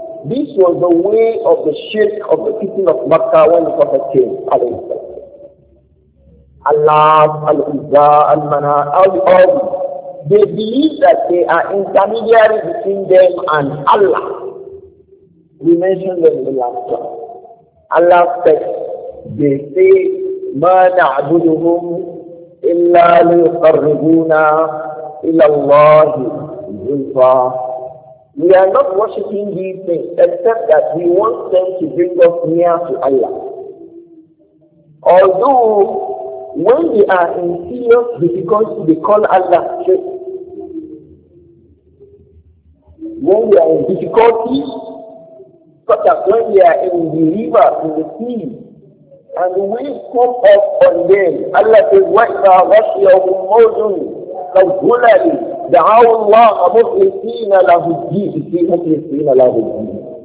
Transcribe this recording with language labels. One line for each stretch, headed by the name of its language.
English: This was the way of the shirk of the people of Makkah when the Prophet came, alayhi wa sallam. Allah, Al-Izza, Al-Mana, Al-Awd. They believe that they are intermediary between them and Allah. We mentioned them in the last one. Allah said, they say,
Arabic: مَا نَعْبُدُهُمْ إِلَّا لِيُقَرِّبُونَا إِلَى اللَّهِ زُلْفَى.
English: We are not worshipping these things except that we want them to bring us near to Allah. Although, when they are in serious difficulty, they call Allah Sheikh. When they are in difficulty, such as when they are in the river, in the sea, and the waves come up on them, Allah says,
Arabic: وَإِذَا غَشِيَهُمْ مَوْجٌ كَالْغُلَلِ دَعَوُا اللَّهَ مُخْلِصِينَ لَهُ الدِّينَ
English: مُخْلِصِينَ لَهُ الدِّينَ.